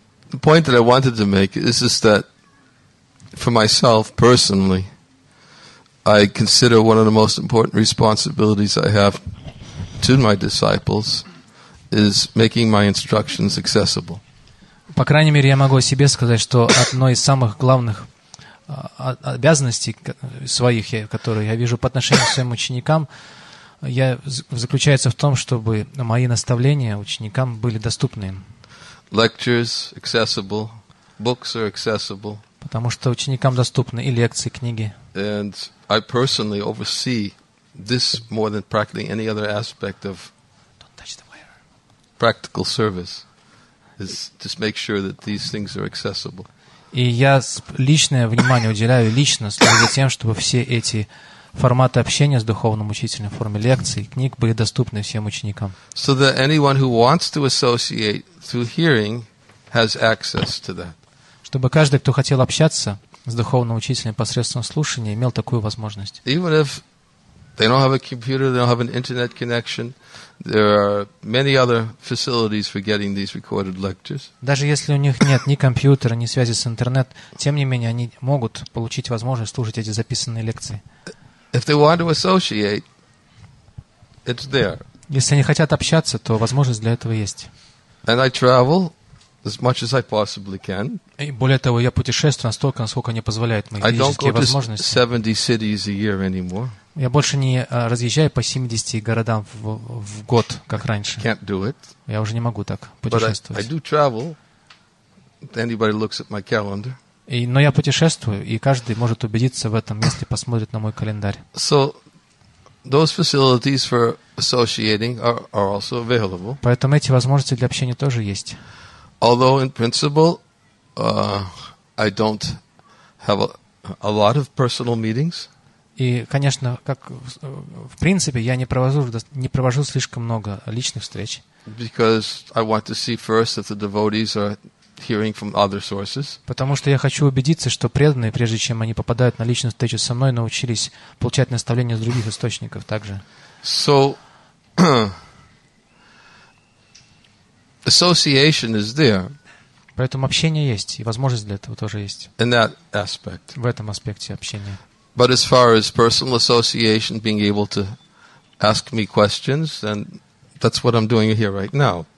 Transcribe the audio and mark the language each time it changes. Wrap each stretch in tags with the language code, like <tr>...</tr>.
<en>The point that I wanted to make is just that for myself personally, I consider one of the most important responsibilities I have to my disciples is making my instructions accessible.</en> <ru>По крайней мере, я могу о себе сказать, что одной из самых главных обязанностей своих, которые я вижу по отношению к своим ученикам, заключается в том, чтобы мои наставления ученикам были доступны.</ru> <en>Lectures accessible, books are accessible.</en> <ru>Потому что ученикам доступны и лекции, и книги.</ru> <en>And I personally oversee this more than practically any other aspect of practical service is just make sure that these things are accessible.</en> <ru>И я личное внимание уделяю лично за тем, чтобы все эти форматы общения с духовным учителем в форме лекций, книг были доступны всем ученикам.</ru> <en>So that anyone who wants to associate through hearing has access to that.</en> <ru>Чтобы каждый, кто хотел общаться с духовным учителем посредством слушания, имел такую возможность.</ru> <en>Even if they don't have a computer, they don't have an internet connection. There are many other facilities for getting these recorded lectures.</en> <ru>Даже если у них нет ни компьютера, ни связи с интернет, тем не менее они могут получить возможность слушать эти записанные лекции.</ru> <en>If they want to associate, it's there.</en> <ru>Если они хотят общаться, то возможность для этого есть.</ru> <en>And I travel as much as I possibly can.</en> <ru>И более того, я путешествую настолько, насколько они позволяют мои физические возможности.</ru> <en>I don't go to 70 cities a year anymore.</en> <ru>Я больше не разъезжаю по 70 городам в год, как раньше.</ru> <en>Can't do it.</en> <ru>Я уже не могу так путешествовать.</ru> <en>But I do travel. Anybody looks at my calendar.</en> <ru>Но я путешествую, и каждый может убедиться в этом, если посмотрит на мой календарь.</ru> <en>So those facilities for associating are also available.</en> <ru>Поэтому эти возможности для общения тоже есть.</ru> <en>Although in principle, I don't have a lot of personal meetings.</en> <ru>И, конечно, как в принципе, я не провожу слишком много личных встреч.</ru> <en>Because I want to see first if the devotees are hearing from other sources.</en> <ru>Потому что я хочу убедиться, что преданные, прежде чем они попадают на личную встречу со мной, научились получать наставления с других источников также.</ru> <en>So association is there.</en> <ru>Поэтому общение есть, и возможность для этого тоже есть.</ru> <en>In that aspect.</en> <ru>В этом аспекте общения.</ru> <en>But as far as personal association, being able to ask me questions, then that's what I'm doing here right now.</en>